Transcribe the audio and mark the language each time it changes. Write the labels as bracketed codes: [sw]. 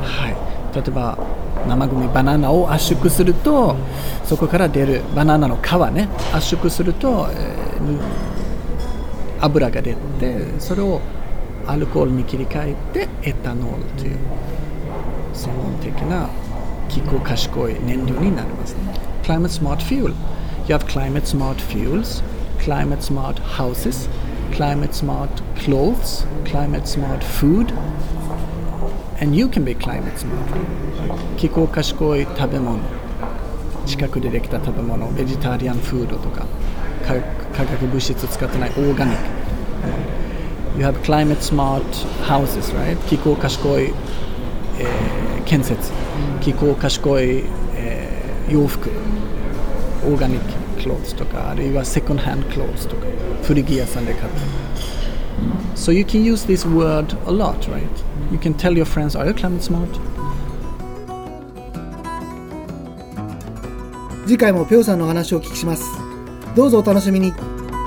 [ja] はい、例えば生ゴミバナナを圧縮すると、うん、そこから出るバナナの皮ね、圧縮すると、油が出て、それをアルコールに切り替えてエタノールという専門的な気候賢い燃料になりますね。 [en] Climate smart fuel. You have climate smart fuels, climate smart housesClimate smart clothes, climate smart food, and you can be climate smart. [ja] 気候賢い食べ物、近くでできた食べ物、ベジタリアンフードとか、化学物質使ってないオーガニック。 [en] You have climate smart houses, right? [ja] 気候賢い、建設、気候賢い、洋服、オーガニック。 [en] Clothes [ja] とか、あるいはセコンドハンドクローズとか、古着屋さんで買った。 [en] So you can use this word a lot, right? You can tell your friends, are you climate smart? [ja] 次回もペオさんの話を聞きします。どうぞお楽しみに。